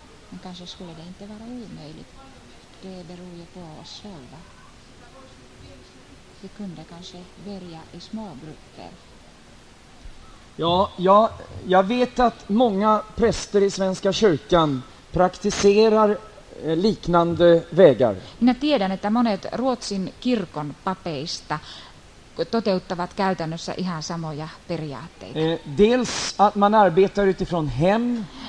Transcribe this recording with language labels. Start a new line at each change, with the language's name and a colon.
Swedish: Men kanske skulle det inte vara omöjligt. Det beror ju på oss själva. Vi kunde kanske börja i små grupper. Ja, jag vet att många präster i Svenska kyrkan praktiserar liknande vägar.
Finnish: Minä tiedän, että monet Ruotsin kirkon papeista toteuttavat käytännössä ihan samoja periaatteita.
Swedish: Dels att man arbetar utifrån hem.